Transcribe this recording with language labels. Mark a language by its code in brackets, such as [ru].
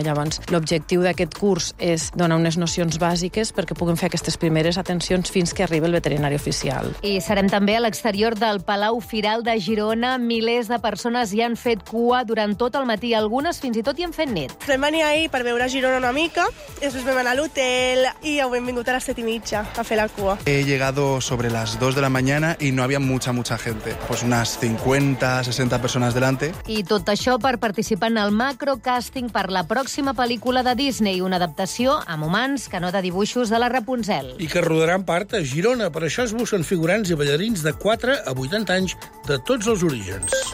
[ca] Llavors, l'objectiu d'aquest curs és donar unes nocions bàsiques perquè puguem fer aquestes primeres atencions fins que arribi el veterinari oficial. I serem també a l'exterior del Palau Firal de Girona. Milers de persones hi han fet cua durant tot el matí, algunes fins i tot hi han fet nit. Vam venir ahir per veure Girona una mica, i després vam anar a l'hotel i ja ho hem vingut a les 7:30 a fer la cua. [es] He llegado sobre las 2 de la mañana y no había mucha gente. Pues unas 50-60 personas delante. [ca] I tot això per participar en el macrocàsting per la pròxima pel·lícula de Disney, una adaptació amb humans que no de dibuixos de la Rapunzel. I que rodaran part a Girona, per això es busquen figurants i ballarins de 4 a 80 anys de tots els orígens.